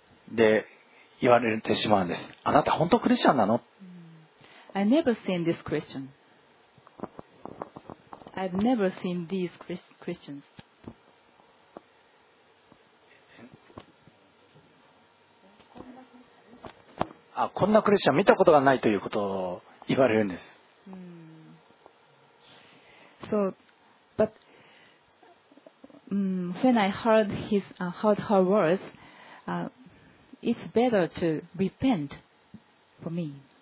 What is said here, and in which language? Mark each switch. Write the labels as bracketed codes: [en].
[ja] で、言われてしまうんです。あなた本当クリスチャンなの？ [en] I've never seen this Christian. I've never seen these Christians. [ja] あ、こんなクリスチャン見たことがないということを言われるんです。 [en] So, but, when I heard his, heard her words, It's better to repent for me.